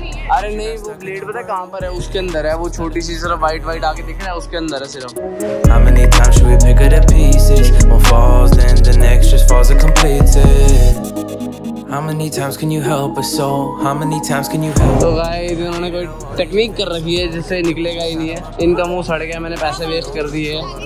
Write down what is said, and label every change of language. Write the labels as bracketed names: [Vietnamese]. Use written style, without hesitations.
[Hindi] अरे नहीं वो ब्लेड पता कहाँ पर है, उसके अंदर है, वो छोटी सी सिर्फ वाइट वाइट आके दिख रहा है, उसके अंदर है सिर्फ। [English] How many times should we pick up the pieces? One falls, then the next just falls and completes it. How many times can you help a soul? How many times can you help? [Hindi] तो guys इन्होंने कोई technique कर रखी है जिससे निकलेगा ही नहीं है, इनका मुंह सड़ गया, मैंने पैसे वेस्ट कर दिए।